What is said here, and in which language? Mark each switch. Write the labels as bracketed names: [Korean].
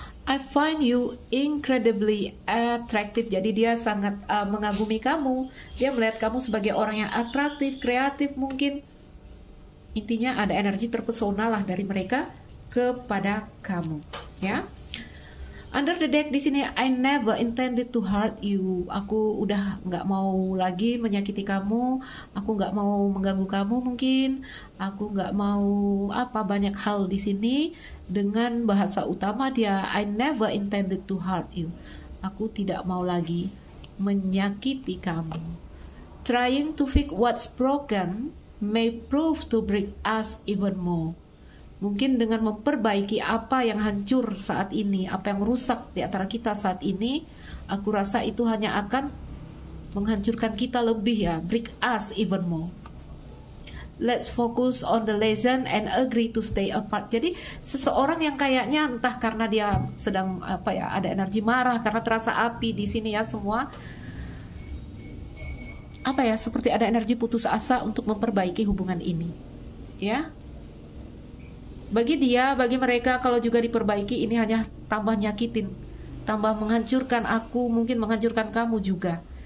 [English] I find you incredibly attractive. [Indonesian] Jadi dia sangat mengagumi kamu. Dia melihat kamu sebagai orang yang atraktif, kreatif mungkin. Intinya ada energi terpesona lah dari mereka kepada kamu, ya. [English] Under the deck [Indonesian] di sini, [English] I never intended to hurt you. [Indonesian] Aku udah nggak mau lagi menyakiti kamu. Aku nggak mau mengganggu kamu mungkin. Aku nggak mau apa banyak hal di sini dengan bahasa utama dia. [English] I never intended to hurt you. [Indonesian] Aku tidak mau lagi menyakiti kamu. [English] Trying to fix what's broken may prove to break us even more. [Indonesian] Mungkin dengan memperbaiki apa yang hancur saat ini, apa yang rusak di antara kita saat ini, aku rasa itu hanya akan menghancurkan kita lebih ya, [English] break us even more. Let's focus on the lesson and agree to stay apart. [Indonesian] Jadi seseorang yang kayaknya entah karena dia sedang apa ya, ada energi marah karena terasa api di sini ya semua. Apa ya, seperti ada energi putus asa untuk memperbaiki hubungan ini. Ya. Bagi dia, bagi mereka, kalau juga diperbaiki, ini hanya tambah nyakitin, tambah menghancurkan aku, mungkin menghancurkan kamu juga.